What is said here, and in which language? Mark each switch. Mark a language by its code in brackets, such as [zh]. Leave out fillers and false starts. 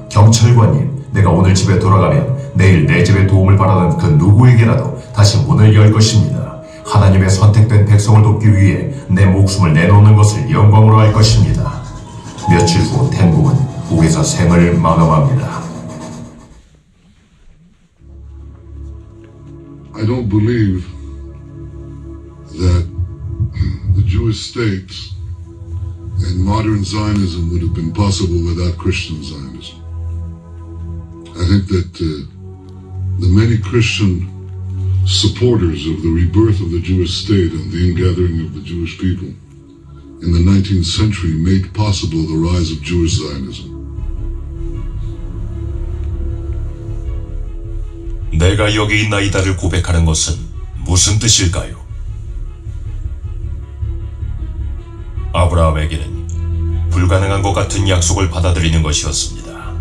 [ko] 경찰관님, 내가 오늘 집에 돌아가면 내일 내 집에 도움을 바라는 그 누구에게라도 다시 문을 열 것입니다. 하나님의 선택된 백성을 돕기 위해 내 목숨을 내놓는 것을 영광으로 할 것입니다. 며칠 후 텐붐은 옥에서 생을 마감합니다. [en] I don't believe that the Jewish state and modern Zionism would have been possible without Christian Zionism. I think that the many Christian supporters of the rebirth of the Jewish state and the ingathering of the Jewish people in the 19th century made possible the rise of Jewish Zionism. [ko] 내가 여기 있나이다를 고백하는 것은 무슨 뜻일까요? 아브라함에게는 불가능한 것 같은 약속을 받아들이는 것이었습니다.